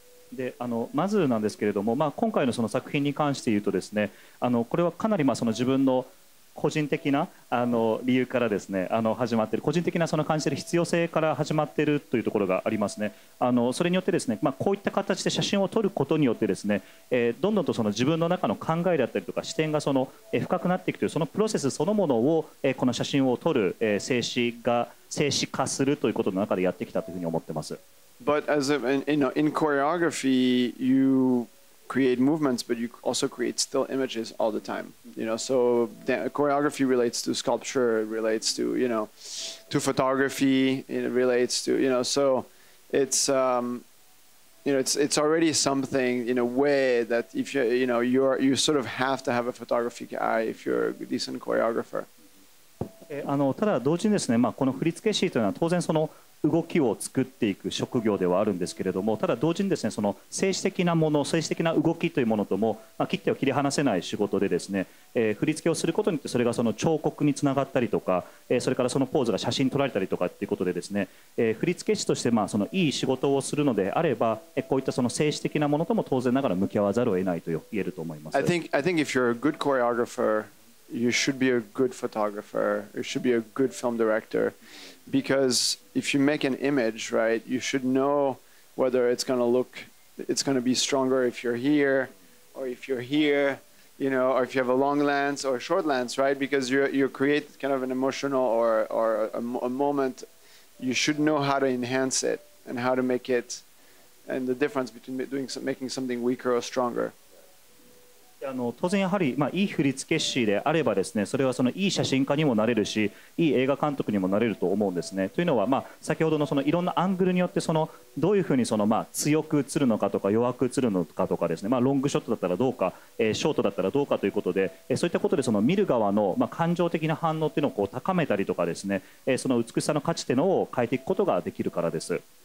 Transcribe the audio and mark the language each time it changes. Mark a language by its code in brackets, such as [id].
[ja] で、あのまずなんですけれども、まあ、今回 の, その作品に関して言うとですね、あのこれはかなりまあその自分の個人的なあの理由からですね、あの始まっている個人的なその感じている必要性から始まっているというところがありますね。あのそれによってですね、まあ、こういった形で写真を撮ることによってですね、どんどんとその自分の中の考えだったりとか視点がその深くなっていくというそのプロセスそのものを、この写真を撮る、静止が静止化するということの中でやってきたというふうに思ってます。 [en] But as a, you know, in choreography, you create movements, but you also create still images all the time. You know, so choreography relates to sculpture, it relates to, you know, to photography, it relates to, you know, so it's, you know, it's already something in a way that if you, you know, you're, you sort of have to have a photographic eye if you're a decent choreographer. [ja] あの、ただ同時にですね、まあ、この振付師というのは当然その動きを作っていく職業ではあるんですけれども、ただ同時にですね、その静止的なもの、静止的な動きというものとも、まあ、切っては切り離せない仕事でですね、振り付けをすることによってそれがその彫刻につながったりとか、それからそのポーズが写真撮られたりとかっていうことでですね、振り付け師としてまあそのいい仕事をするのであれば、こういったその静止的なものとも当然ながら向き合わざるを得ないと言えると思います。 [en] I think if you're a good choreographer, you should be a good photographer, you should be a good film director. Because if you make an image, right, you should know whether it's going to look, it's going to be stronger if you're here or if you're here, you know, or if you have a long lens or a short lens, right? Because you create kind of an emotional or a moment, you should know how to enhance it and how to make it, and the difference between doing some, making something weaker or stronger. [ja] あの当然やはり、まあ、いい振付師であればですね、それはそのいい写真家にもなれるし、いい映画監督にもなれると思うんですね。というのは、まあ、先ほど の, そのいろんなアングルによってそのどういうふうにその、まあ、強く映るのかとか弱く映るのかとかですね、まあ、ロングショットだったらどうか、ショートだったらどうかということで、そういったことでその見る側の、まあ、感情的な反応というのをこう高めたりとかですね、その美しさの価値というのを変えていくことができるからです。